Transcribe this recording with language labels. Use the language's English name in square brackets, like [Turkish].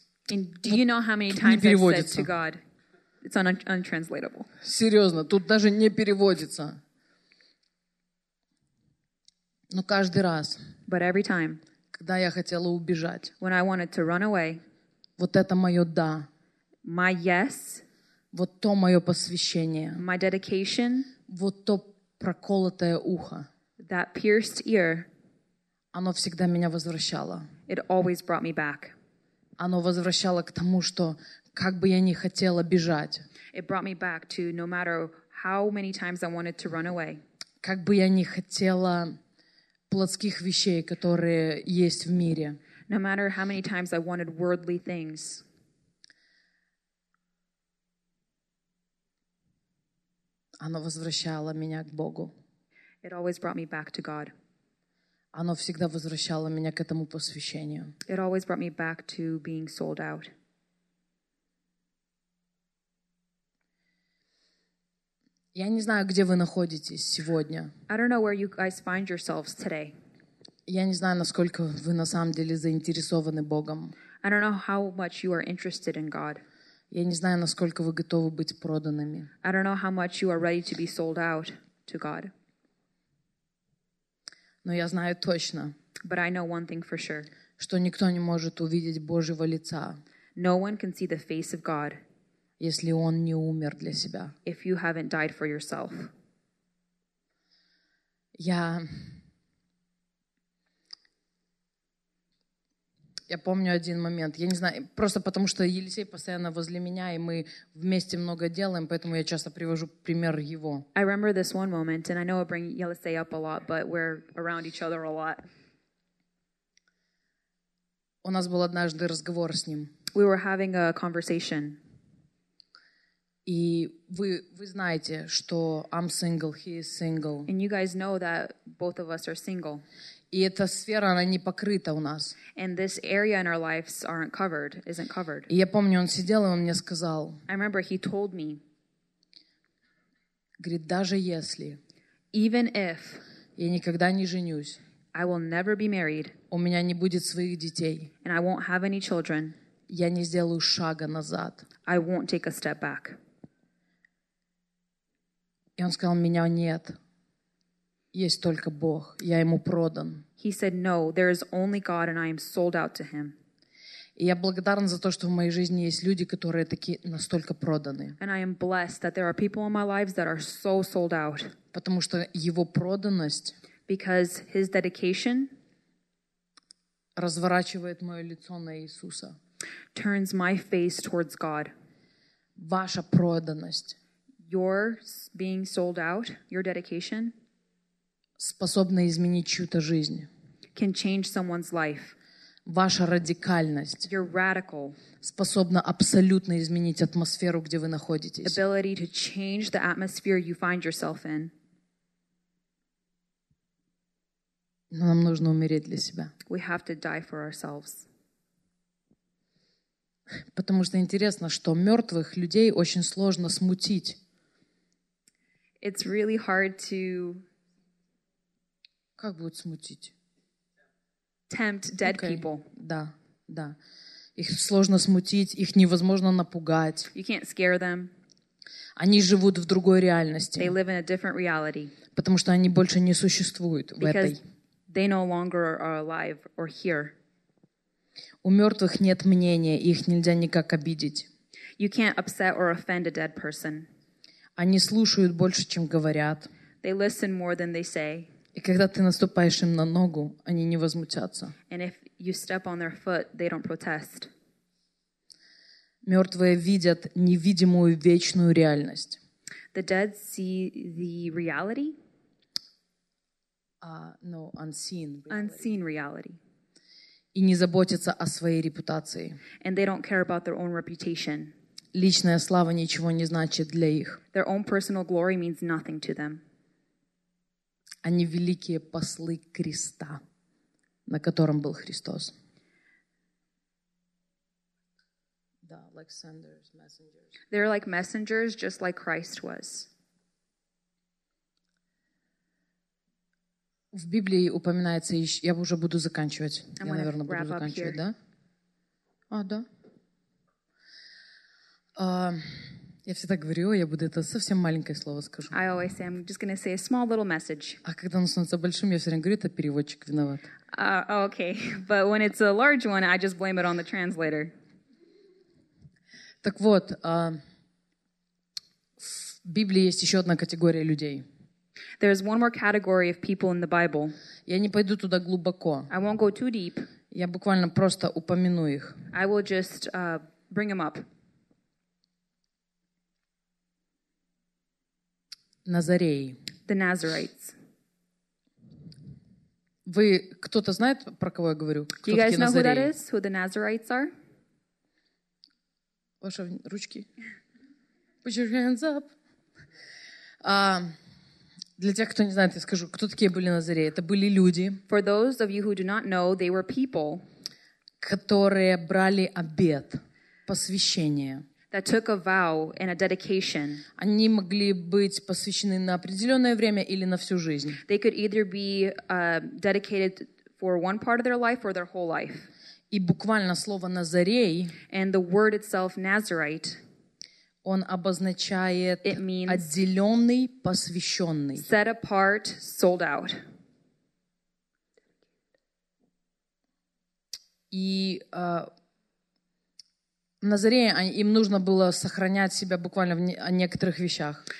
[English] And do you know how many times I said to God, it's untranslatable. [Russian] Серьезно, тут даже не переводится. Но каждый раз, [English] but every time, [Russian] когда я хотела убежать, [English] when I wanted to run away, [Russian] вот это мое да, [English] my yes, [Russian] вот то мое посвящение, [English] my dedication, [Russian] вот то проколотое ухо, [English] that pierced ear, [Russian] оно всегда меня возвращало. [English] It always brought me back. [Russian] Оно возвращало к тому, что как бы я ни хотела бежать, [English] it brought me back to no matter how many times I wanted to run away, [Russian] как бы я ни хотела плотских вещей, которые есть в мире. [English] No matter how many times I wanted worldly things. [Russian] Оно возвращало меня к Богу. [English] It always brought me back to God. [Russian] Оно всегда возвращало меня к этому посвящению. [English] It always brought me back to being sold out. [Russian] Я не знаю, где вы находитесь сегодня. [English] I don't know where you guys find yourselves today. [Russian] Я не знаю, насколько вы на самом деле заинтересованы Богом. [English] I don't know how much you are interested in God. [Russian] Я не знаю, насколько вы готовы быть проданными. [English] I don't know how much you are ready to be sold out to God. [Russian] Но я знаю точно, [English] but I know one thing for sure, [Russian] что никто не может увидеть Божьего лица. [English] No one can see the face of God. [Russian] Если он не умер для себя. [English] If you haven't died for yourself. [Russian] Я помню один момент. Я не знаю, просто потому что Елисей постоянно возле меня, и мы вместе много делаем, поэтому я часто привожу пример его. [English] I remember this one moment, and I know I bring Елисей up a lot, but we're around each other a lot. [Russian] У нас был однажды разговор с ним. [English] We were having a conversation. [Russian] И вы знаете, что [English] I'm single, he is single. And you guys know that both of us are single. [Russian] И эта сфера, она не покрыта у нас. [English] And this area in our lives aren't covered, isn't covered. [Russian] И я помню, он сидел, и он мне сказал. [English] I remember he told me. [Russian] Говорит, даже если. [English] Even if. [Russian] Я никогда не женюсь. [English] I will never be married. [Russian] У меня не будет своих детей. [English] And I won't have any children. [Russian] Я не сделаю шага назад. [English] I won't take a step back. [Russian] И он сказал, меня нет, есть только Бог, я ему продан. [English] He said, no, there is only God and I am sold out to him. [Russian] И я благодарен за то, что в моей жизни есть люди, которые такие настолько проданы. [English] And I am blessed that there are people in my lives that are so sold out. [Russian] Потому что его проданность, [English] because his dedication, [Russian] разворачивает мое лицо на Иисуса. [English] Turns my face towards God. [Russian] Ваша проданность, [English] your being sold out, your dedication, [Russian] способна изменить чью-то жизнь. [English] Can change someone's life. [Russian] Ваша радикальность, [English] your radical, [Russian] способна абсолютно изменить атмосферу, где вы находитесь. [English] Ability to change the atmosphere you find yourself in. [Russian] Но нам нужно умереть для себя. [English] We have to die for ourselves. [Russian] Потому что интересно, что мертвых людей очень сложно смутить. [English] It's really hard to... [Russian] Как будет смутить? [English] Tempt dead people. [Russian] Да, да. Их сложно смутить, их невозможно напугать. [English] You can't scare them. [Russian] Они живут в другой реальности. [English] They live in a different reality. [Russian] Потому что они больше не существуют в этой. [English] They no longer are alive or here. [Russian] У мертвых нет мнения, их нельзя никак обидеть. [English] You can't upset or offend a dead person. [Russian] Они слушают больше, чем говорят. [English] They listen more than they say. [Russian] И когда ты наступаешь им на ногу, они не возмутятся. [English] And if you step on their foot, they don't protest. [Russian] Мертвые видят невидимую вечную реальность. [English] The dead see the reality. No, unseen reality. Unseen reality. [Russian] И не заботятся о своей репутации. [English] And they don't care about their own reputation. [Russian] Личная слава ничего не значит для их. [English] Their own personal glory means nothing to them. [Russian] Они великие послы креста, на котором был Христос. [English] Да, like senders, messengers. They're like messengers, just like Christ was. [Russian] В Библии упоминается еще... Я уже буду заканчивать. I'm Я, наверное, буду заканчивать, да? А, да. Я всегда говорю, я буду это совсем маленькое слово скажу. [English] I always say, I'm just going to say a small little message. [Russian] А когда оно становится большим, я все время говорю, это переводчик виноват. [English] Okay, but when it's a large one, I just blame it on the translator. [Russian] Так вот, в Библии есть еще одна категория людей. [English] There's one more category of people in the Bible. [Russian] Я не пойду туда глубоко. [English] I won't go too deep. [Russian] Я буквально просто упомяну их. [English] I will just bring them up. [Russian] Назареи. [English] The Nazarites. [Russian] Вы кто-то знает, про кого я говорю? Кто такие Назареи? [English] You guys know who that is? Who the Nazarites are? [Russian] Ваши ручки. [English] Put your hands up. [Russian] Для тех, кто не знает, я скажу, кто такие были Назареи. Это были люди. [English] For those of you who do not know, they were people. [Russian] Которые брали обет, посвящение. [English] That took a vow and a dedication. [Russian] Они могли быть посвящены на определенное время или на всю жизнь. [English] They could either be dedicated for one part of their life or their whole life. [Russian] И буквально слово Назарей. [English] And the word itself, Nazarite. [Russian] Он обозначает отделенный, посвященный. [English] Set apart, sold out. [Russian] И Назареи, им нужно было сохранять себя буквально в некоторых вещах.